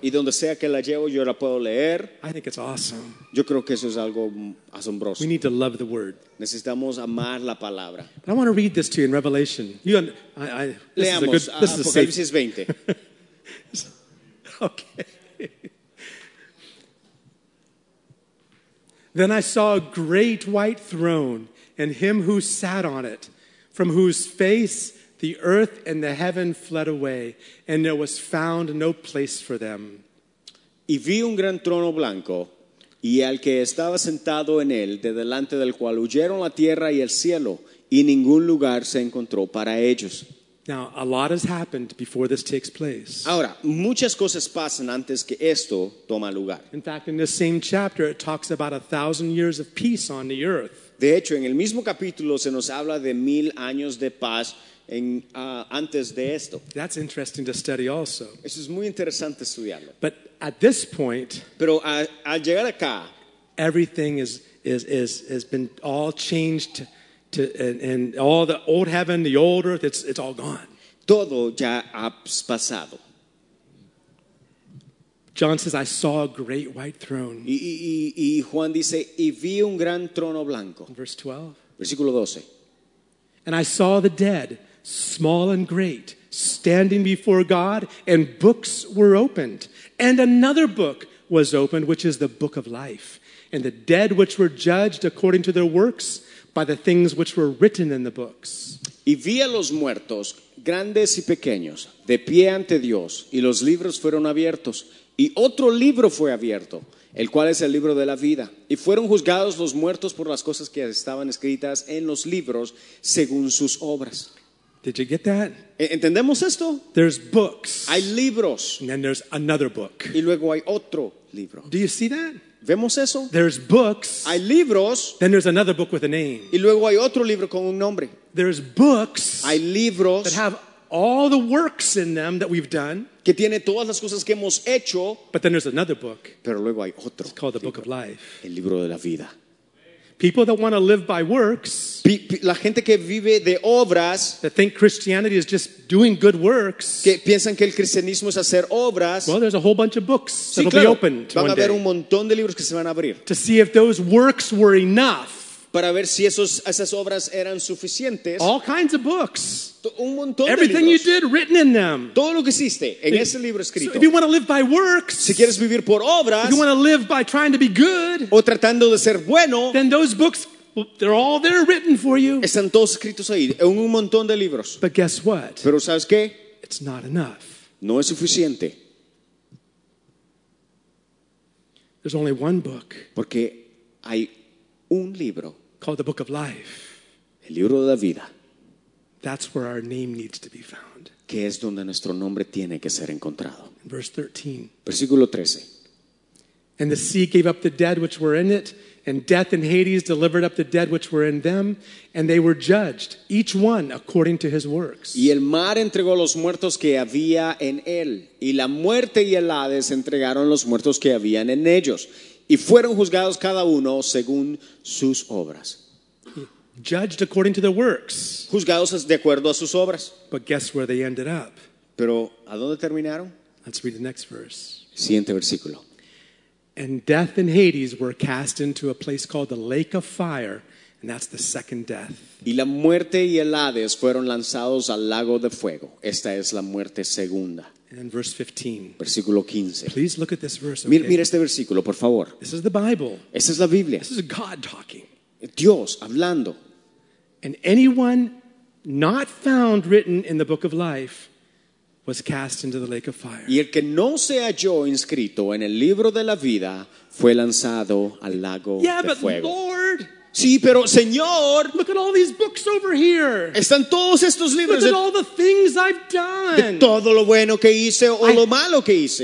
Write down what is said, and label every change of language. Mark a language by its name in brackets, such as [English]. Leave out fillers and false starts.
[Spanish] Y donde sea que la llevo, yo la puedo leer. [English] I think it's awesome. [Spanish] Yo creo que eso es algo asombroso. [English] We need to love the word. [Spanish] Necesitamos amar la palabra. [English] But I want to read this to you in Revelation. [Spanish] Leamos Apocalipsis 20. [English] Okay. Then I saw a great white throne and him who sat on it, from whose face the earth and the heaven fled away, and there was found no place for them. [Spanish] Y vi un gran trono blanco, y al que estaba sentado en él, de delante del cual huyeron la tierra y el cielo, y ningún lugar se encontró para ellos. [English] Now, a lot has happened before this takes place. [Spanish] Ahora, muchas cosas pasan antes que esto toma lugar. [English] In fact, in this same chapter, it talks about 1,000 years of peace on the earth. [Spanish] De hecho, en el mismo capítulo se nos habla de 1,000 años de paz antes de esto. [English] That's interesting to study also. [Spanish] Eso es muy interesante estudiarlo. [English] But at this point, [Spanish] pero al llegar acá, [English] everything has been all changed and all the old heaven, the old earth, it's all gone. [Spanish] Todo ya ha pasado. [English] John says, I saw a great white throne. [Spanish] Y Juan dice, y vi un gran trono blanco. [English] Verse 12. [Spanish] Versículo 12. [English] And I saw the dead, small and great, standing before God, and books were opened. And another book was opened, which is the book of life. And the dead which were judged according to their works by the things which were written in the books. [Spanish] Y vi a los muertos, grandes y pequeños, de pie ante Dios, y los libros fueron abiertos. Y otro libro fue abierto, el cual es el libro de la vida. Y fueron juzgados los muertos por las cosas que estaban escritas en los libros según sus obras. [English] Did you get that? [Spanish] ¿Entendemos esto? [English] There's books. [Spanish] Hay libros. [English] And then there's another book. [Spanish] Y luego hay otro libro. [English] Do you see that? [Spanish] ¿Vemos eso? [English] There's books. [Spanish] Hay libros. [English] Then there's another book with a name. [Spanish] Y luego hay otro libro con un nombre. [English] There's books. [Spanish] Hay libros. [English] That have all the works in them that we've done. [Spanish] que tiene todas las cosas que hemos hecho. [English] But then there's another book. [Spanish] Pero luego hay otro. [English] It's called the Book of Life. [Spanish] El libro de la vida. [English] People that want to live by works, [Spanish] la gente que vive de obras, [English] that think Christianity is just doing good works, [Spanish] que piensan que el cristianismo es hacer obras, [English] well, there's a whole bunch of books that will be opened one day. [Spanish] Van a haber un montón de libros que se van a abrir. [English] To see if those works were enough. [Spanish] Para ver si esas obras eran suficientes. [English] All kinds of books. [Spanish] Un montón de [English] everything [Spanish] libros. [English] You did written in them. [Spanish] Todo lo que hiciste en ese libro escrito. [English] So if you want to live by works, [Spanish] si quieres vivir por obras, [English] if you want to live by trying to be good, [Spanish] o tratando de ser bueno, [English] then those books, they're all there written for you. [Spanish] Están todos escritos ahí, en un montón de libros. [English] But guess what? [Spanish] Pero ¿sabes qué? [English] It's not enough. [Spanish] No es suficiente. [English] There's only one book. [Spanish] Porque hay un libro. [English] Called the Book of Life. [Spanish] El libro de la vida. [English] That's where our name needs to be found. [Spanish] Que es donde nuestro nombre tiene que ser encontrado. [English] Verse 13. [Spanish] Versículo 13. [English] And the sea gave up the dead which were in it, and death and Hades delivered up the dead which were in them, and they were judged, each one according to his works. [Spanish] Y el mar entregó los muertos que había en él, y la muerte y el Hades entregaron los muertos que habían en ellos, y fueron juzgados cada uno según sus obras. [English] Judged according to their works. [Spanish] Juzgados de acuerdo a sus obras. [English] But guess where they ended up. [Spanish] Pero ¿a dónde terminaron? [English] Let's read the next verse. [Spanish] Siguiente versículo. [English] And death and Hades were cast into a place called the lake of fire, and that's the second death. [Spanish] Y la muerte y el Hades fueron lanzados al lago de fuego. Esta es la muerte segunda. [English] And verse 15. [Spanish] Versículo 15. [English] Please look at this verse. [Spanish] Okay? Mira este versículo, por favor. [English] This is the Bible. [Spanish] Esta es la Biblia. [English] This is God talking. [Spanish] Dios hablando. [English] And anyone not found written in the book of life was cast into the lake of fire. [Spanish] Y el que no se halló inscrito en el libro de la vida fue lanzado al lago de fuego. [English] Yeah, but Lord. [Spanish] Sí, pero Señor. [English] Look at all these books over here. [Spanish] Están todos estos libros. [English] Look at all the things I've done. [Spanish] De todo lo bueno que hice o lo malo que hice.